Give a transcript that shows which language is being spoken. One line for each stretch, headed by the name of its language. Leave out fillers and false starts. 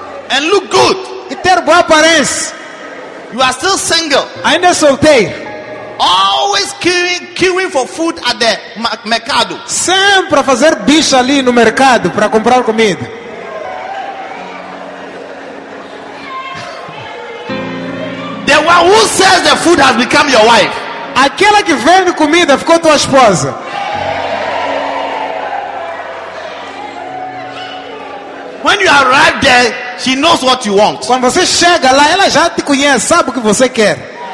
English: and look good,
Portuguese: e ter boa aparência,
English: you are still single.
Portuguese: Ainda solteiro.
English: Always queuing for food at the mercado.
Portuguese: Sempre a fazer bicho ali no mercado para comprar comida.
English: The one who says the food has become your wife.
Portuguese: Aquela que vende comida ficou tua esposa.
English: When you arrive there, she knows what you want.
Portuguese: Quando você chega lá, ela já te conhece, sabe o que você quer.